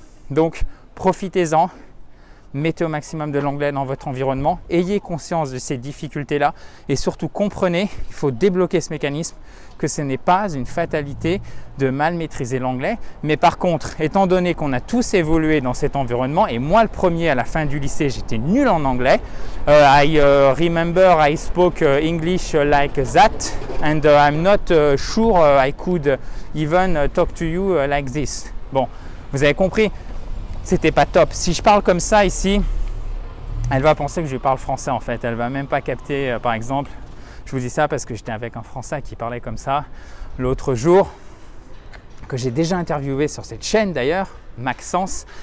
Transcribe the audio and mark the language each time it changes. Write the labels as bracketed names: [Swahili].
[French] Donc, profitez-en, mettez au maximum de l'anglais dans votre environnement, ayez conscience de ces difficultés-là et surtout comprenez, il faut débloquer ce mécanisme, que ce n'est pas une fatalité de mal maîtriser l'anglais. Mais par contre, étant donné qu'on a tous évolué dans cet environnement, et moi le premier à la fin du lycée, j'étais nul en anglais. [English] I spoke English like that and I'm not sure I could even talk to you like this. [French] Bon, vous avez compris, c'était pas top. Si je parle comme ça ici, elle va penser que je parle français en fait. Elle va même pas capter, par exemple, je vous dis ça parce que j'étais avec un Français qui parlait comme ça l'autre jour, que j'ai déjà interviewé sur cette chaîne d'ailleurs, Maxence.